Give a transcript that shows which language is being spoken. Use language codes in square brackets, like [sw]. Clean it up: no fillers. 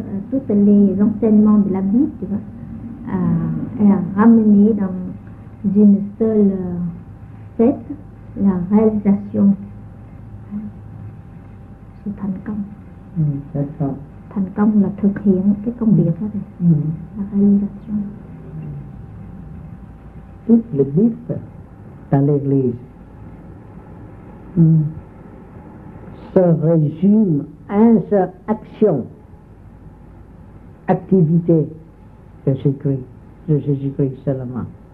[fr] Toutes les enseignements de la Bible tu vois, ramenés dans une seule fête, la réalisation. C'est [vi] thành công. [fr] C'est ça. [vi] Thành công là thực hiện cái công việc đó này. [fr] La réalisation. Toute la Bible dans l'église. Se résume en sa action, activité de Jésus-Christ, seulement.